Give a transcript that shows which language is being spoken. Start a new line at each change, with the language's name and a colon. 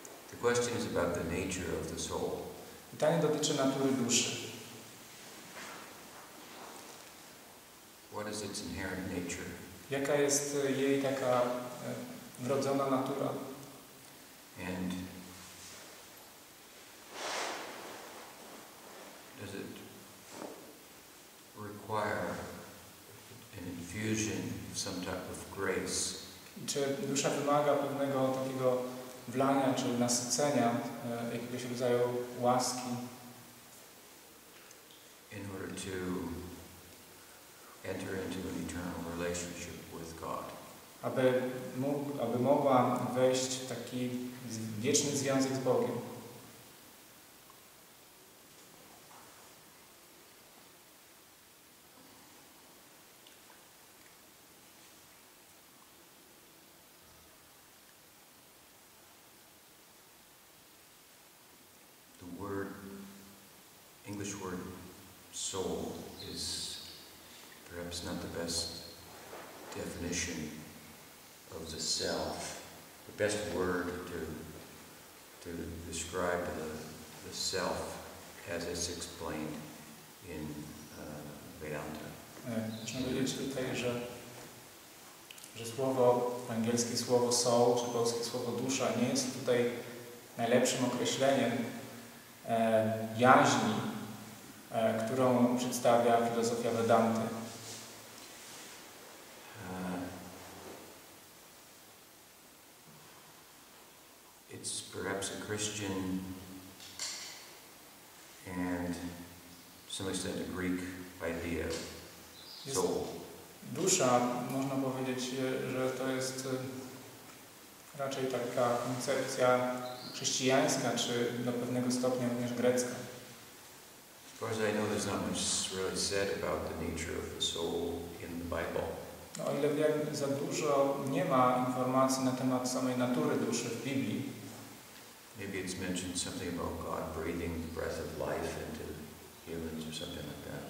English: The question is about the nature of the soul.
Polish: Pytanie dotyczy natury duszy.
English: What is its inherent nature?
Polish: Jaka jest jej taka wrodzona natura?
English: And does it require an infusion of some type of grace?
Polish: Czy dusza wymaga pewnego takiego wlania czy nasycenia jakiegoś rodzaju łaski?
English: In order to enter into an eternal relationship with God.
Polish: Aby mogła wejść w taki wieczny związek z Bogiem.
English: The word, English word, soul is perhaps not the best definition of the self. The best word to describe the self as it's explained in Vedanta.
Polish: Można powiedzieć tutaj, że słowo, angielskie słowo soul, czy polskie słowo dusza, nie jest tutaj najlepszym określeniem jaźni, którą przedstawia filozofia Vedanty.
English: It's perhaps a Christian and to some extent a Greek idea. Soul.
Polish: Dusza, można powiedzieć, że to jest raczej taka koncepcja chrześcijańska, czy do pewnego stopnia również grecka.
English: As far as I know, there's not much really said about the nature of the soul in the Bible.
Polish: O ile wiem, za dużo nie ma informacji na temat samej natury duszy w Biblii.
English: Maybe it's mentioned something about God breathing the breath of life into humans or something like that.